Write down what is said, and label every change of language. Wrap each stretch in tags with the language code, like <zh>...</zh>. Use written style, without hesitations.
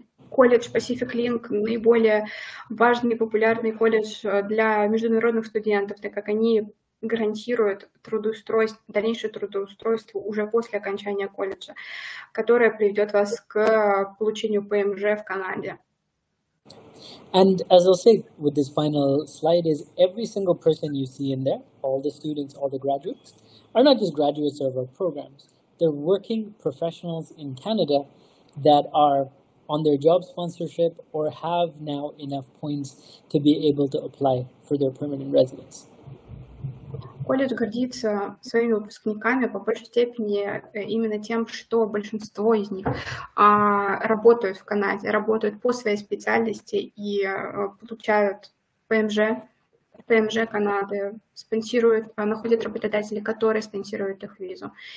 <ru>Колледж Pacific Link — наиболее важный и популярный колледж для международных студентов, так как они гарантируют дальнейшее трудоустройство уже после окончания колледжа, которое приведет вас к получению ПМЖ в Канаде.</ru> <en>And as I'll say with this final slide is every single person you see in there, all the students, all the graduates, are not just graduates of our programs. They're working professionals in Canada that are on their job sponsorship or have now enough points to be able to apply for their permanent residence.</en> <ru>Колледж гордится своими выпускниками по большей степени именно тем, что большинство из них работают в Канаде, работают по своей специальности и получают ПМЖ Канады, находят работодателей, которые спонсируют их визу.</ru>